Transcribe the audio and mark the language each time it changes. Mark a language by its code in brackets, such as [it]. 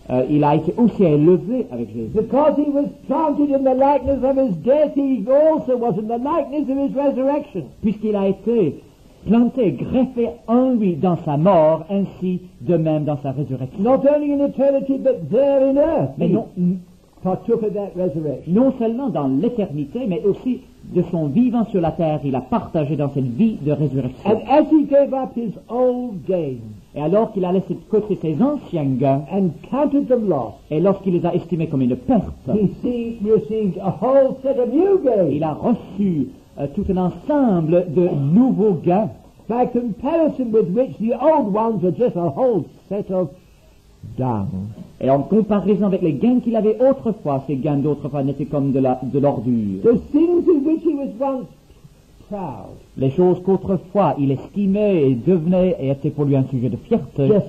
[fr] Il a été aussi élevé avec Jésus. [en] Because he was planted in the likeness of his death, he also was in the likeness of his resurrection. [fr] Puisqu'il a été planté, greffé en lui dans sa mort, ainsi de même dans sa résurrection. [en] Not only in eternity, but there in earth. [fr] Mais non, [en] partook of that resurrection. [fr] Non seulement dans l'éternité, mais aussi de son vivant sur la terre, il a partagé dans cette vie de résurrection. [en] And as he gave up his old gains. [fr] Et alors qu'il a laissé de côté ses anciens gains, [en] and counted them lost, [fr] et lorsqu'il les a estimés comme une perte, [en] he received a whole set of new gains. [fr] Il a reçu tout un ensemble de nouveaux gains. [en] By comparison with which the old ones were just a whole set of dung. [fr] Et en comparaison avec les gains qu'il avait autrefois, ces gains d'autrefois n'étaient comme de l'ordure. [en] The things in which he was once proud. [fr] Les choses qu'autrefois il estimait et devenait et était pour lui un sujet de fierté,